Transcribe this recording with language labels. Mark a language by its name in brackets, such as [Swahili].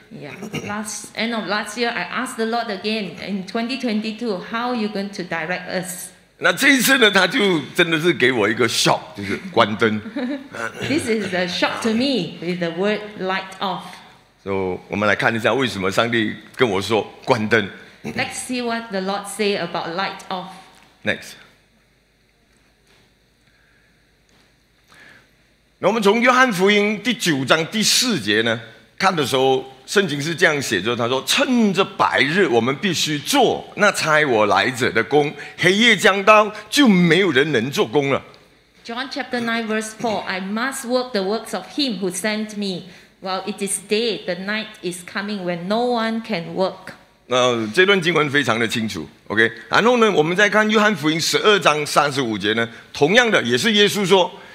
[English] Yeah, end of last year, I asked the Lord again in 2022, how are you going to direct us? [Chinese] 那这一次呢，他就真的是给我一个 shock， 就是关灯。 [English] This is a shock to me with the word light off. [Chinese] So 我们来看一下为什么上帝跟我说关灯。 [English] Let's see what the Lord say about light off. [Chinese] Next， 那我们从约翰福音第9章第4节呢看的时候。圣经是这样写着，他说：“趁着白日，我们必须做那差我来者的工；黑夜将到，就没有人能做工了。” [English] John chapter 9 verse 4: I must work the works of Him who sent me. While it is day, the night is coming when no one can work. [Chinese] 这段经文非常的清楚 ，OK。然后呢，我们再看约翰福音12章35节呢，同样的也是耶稣说。